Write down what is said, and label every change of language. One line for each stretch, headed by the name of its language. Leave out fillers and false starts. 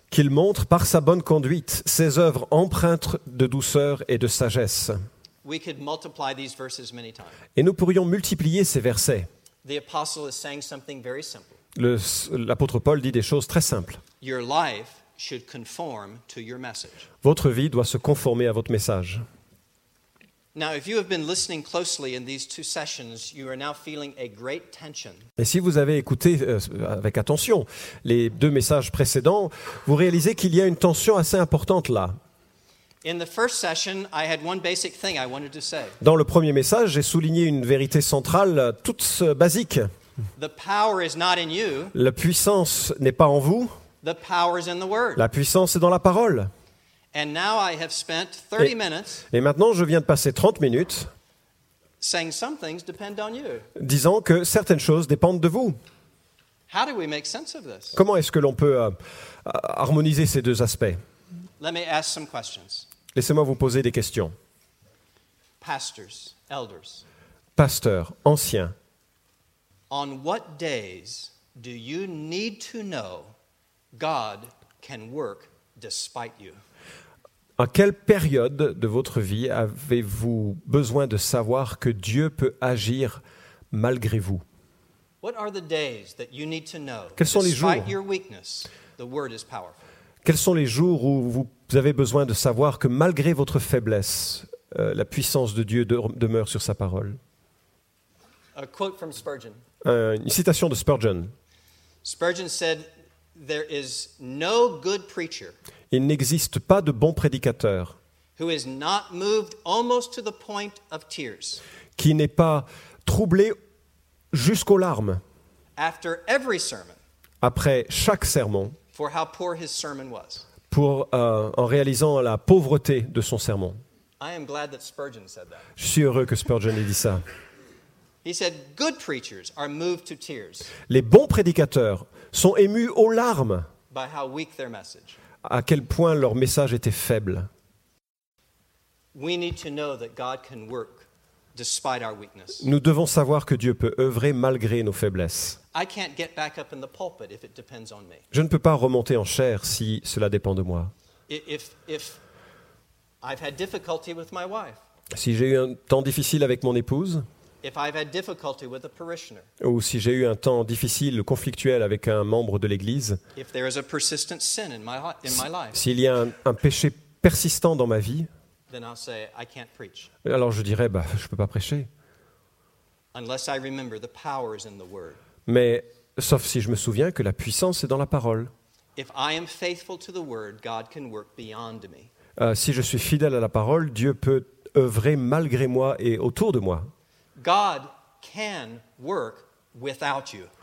French: Qu'il montre par sa bonne conduite ses œuvres empreintes de douceur et de sagesse.
English: We could multiply these verses many times.
French: Et nous pourrions multiplier ces versets.
English: The apostle is saying something very simple.
French: L'apôtre Paul dit des choses très simples.
English: Your life should conform to your message.
French: Votre vie doit se conformer à votre message.
English: Now, if you have been listening closely in these two sessions, you are now feeling a great tension.
French: Et si vous avez écouté avec attention les deux messages précédents, vous réalisez qu'il y a une tension assez importante là.
English: In the first session, I had one basic thing I wanted to say.
French: Dans le premier message, j'ai souligné une vérité centrale toute basique.
English: The power is not in you.
French: La puissance n'est pas en vous.
English: The power is in the word.
French: La puissance est dans la parole.
English: And now I have spent 30 minutes.
French: Et maintenant, je viens de passer 30 minutes.
English: Saying some things depend on you.
French: Disant que certaines choses dépendent de vous.
English: How do we make sense of this?
French: Comment est-ce que l'on peut harmoniser ces deux aspects?
English: Let me ask some questions.
French: Laissez-moi vous poser des questions.
English: Pastors, elders.
French: Pasteurs, anciens.
English: On what days do you need to know God can work despite you?
French: À quelle période de votre vie avez-vous besoin de savoir que Dieu peut agir malgré vous?
English: What are the days that you need to know?
French: Quels sont les jours?
English: Despite your weakness, the word is powerful.
French: Quels sont les jours où vous avez besoin de savoir que malgré votre faiblesse, la puissance de Dieu demeure sur sa parole?
English: A quote from Spurgeon.
French: Une citation de Spurgeon.
English: Spurgeon said, "There is no good preacher."
French: Il n'existe pas de bon prédicateur.
English: Who is not moved almost to the point of tears.
French: Qui n'est pas troublé jusqu'aux larmes.
English: After every sermon.
French: Après chaque sermon.
English: For how poor his sermon was.
French: Pour en réalisant la pauvreté de son sermon.
English: I am glad that Spurgeon said that.
French: Je suis heureux que Spurgeon ait dit ça.
English: He said, "Good preachers are moved to tears."
French: Les bons prédicateurs sont émus aux larmes.
English: By how weak their message.
French: À quel point leur message était faible.
English: We need to know that God can work despite our weakness.
French: Nous devons savoir que Dieu peut œuvrer malgré nos faiblesses.
English: I can't get back up in the pulpit if it depends on me.
French: Je ne peux pas remonter en chair si cela dépend de moi.
English: If I've had difficulty with my wife.
French: Si j'ai eu un temps difficile avec mon épouse.
English: If I've had difficulty with a parishioner.
French: Ou si j'ai eu un temps difficile, conflictuel avec un membre de l'église.
English: If there is a persistent sin in my life.
French: S'il y a un péché persistant dans ma vie.
English: Then I'll say, I can't preach.
French: Alors je dirais, je ne peux pas prêcher.
English: Unless I remember the power is in the word.
French: Mais sauf si je me souviens que la puissance est dans la parole. Si je suis fidèle à la parole, Dieu peut œuvrer malgré moi et autour de moi.
English: God can work without you.